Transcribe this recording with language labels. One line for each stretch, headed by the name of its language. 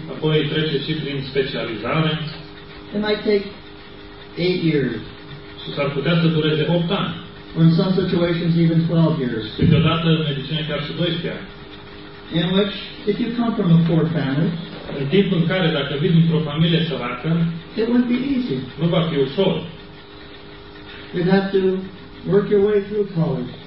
Romanian: Apoi trece și prin specializare.
English: It might take 8 years.
Romanian: Și s-ar putea să dureze 8 ani.
English: Or in some situations even 12 years.
Romanian: Și câteodată în medicină chiar și 12 ani.
English: In which, if you come from a poor family,
Romanian: în timpul în care dacă vii dintr-o familie săracă,
English: it won't be easy.
Romanian: Nu va fi ușor.
English: You'd have to work your way through college.